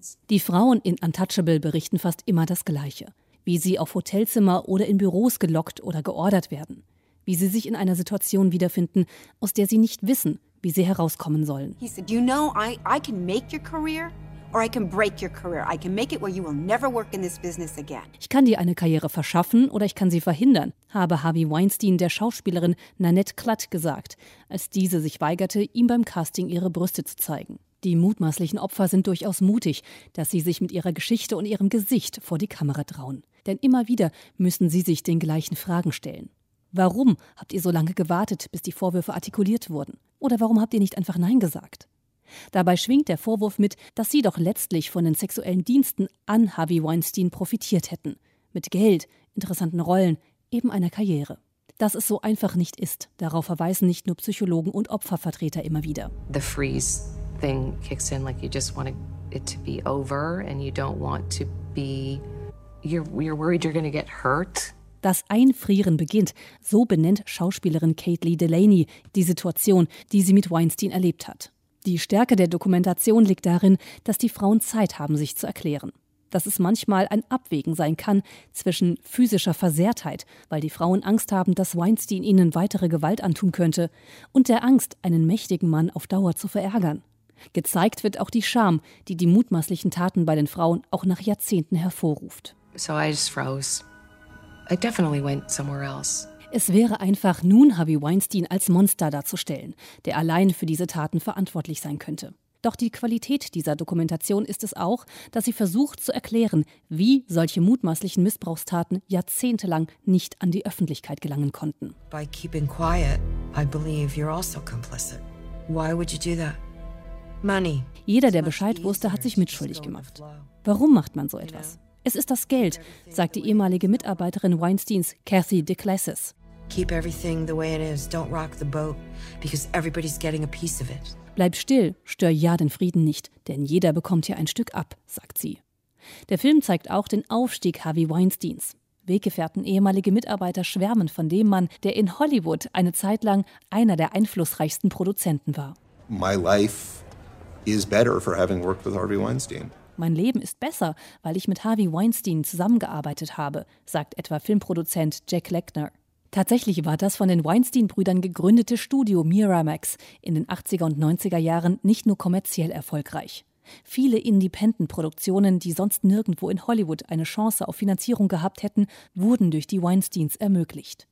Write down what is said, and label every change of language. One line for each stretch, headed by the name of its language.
German: Die Frauen in Untouchable berichten fast immer das Gleiche. Wie sie auf Hotelzimmer oder in Büros gelockt oder geordert werden. Wie sie sich in einer Situation wiederfinden, aus der sie nicht wissen, wie sie herauskommen sollen. Er sagte, du weißt, ich kann deine Karriere machen.
English: Or I can break your career. I can make it where you will never work in this business again.
German: Ich kann dir eine Karriere verschaffen oder ich kann sie verhindern, habe Harvey Weinstein der Schauspielerin Nanette Klatt gesagt, als diese sich weigerte, ihm beim Casting ihre Brüste zu zeigen. Die mutmaßlichen Opfer sind durchaus mutig, dass sie sich mit ihrer Geschichte und ihrem Gesicht vor die Kamera trauen. Denn immer wieder müssen sie sich den gleichen Fragen stellen. Warum habt ihr so lange gewartet, bis die Vorwürfe artikuliert wurden? Oder warum habt ihr nicht einfach Nein gesagt? Dabei schwingt der Vorwurf mit, dass sie doch letztlich von den sexuellen Diensten an Harvey Weinstein profitiert hätten. Mit Geld, interessanten Rollen, eben einer Karriere. Dass es so einfach nicht ist, darauf verweisen nicht nur Psychologen und Opfervertreter immer wieder.
English: The freeze thing kicks in, like you just want it to be over and you don't want to be, you're worried you're gonna get hurt.
German: Das Einfrieren beginnt, so benennt Schauspielerin Kate Lee Delaney die Situation, die sie mit Weinstein erlebt hat. Die Stärke der Dokumentation liegt darin, dass die Frauen Zeit haben, sich zu erklären. Dass es manchmal ein Abwägen sein kann zwischen physischer Versehrtheit, weil die Frauen Angst haben, dass Weinstein ihnen weitere Gewalt antun könnte, und der Angst, einen mächtigen Mann auf Dauer zu verärgern. Gezeigt wird auch die Scham, die mutmaßlichen Taten bei den Frauen auch nach Jahrzehnten hervorruft.
English: So I just froze. I definitely went somewhere else.
German: Es wäre einfach, nun Harvey Weinstein als Monster darzustellen, der allein für diese Taten verantwortlich sein könnte. Doch die Qualität dieser Dokumentation ist es auch, dass sie versucht zu erklären, wie solche mutmaßlichen Missbrauchstaten jahrzehntelang nicht an die Öffentlichkeit gelangen konnten.
English: By keeping quiet, I believe you're also complicit. Why would you do that? Money.
German: Jeder, der Bescheid wusste, hat sich mitschuldig gemacht. Warum macht man so etwas? Es ist das Geld, sagt die ehemalige Mitarbeiterin Weinsteins, Kathy DeClassis.
English: Keep everything the way it is. Don't rock the boat, because everybody's getting a piece of it.
German: Bleib still, stör ja den Frieden nicht, denn jeder bekommt hier ein Stück ab, sagt sie. Der Film zeigt auch den Aufstieg Harvey Weinsteins. Weggefährten, ehemalige Mitarbeiter schwärmen von dem Mann, der in Hollywood eine Zeit lang einer der einflussreichsten Produzenten war.
English: My life is better for having worked with Harvey Weinstein.
German: Mein Leben ist besser, weil ich mit Harvey Weinstein zusammengearbeitet habe, sagt etwa Filmproduzent Jack Lechner. Tatsächlich war das von den Weinstein-Brüdern gegründete Studio Miramax in den 80er und 90er Jahren nicht nur kommerziell erfolgreich. Viele Independent-Produktionen, die sonst nirgendwo in Hollywood eine Chance auf Finanzierung gehabt hätten, wurden durch die Weinsteins ermöglicht.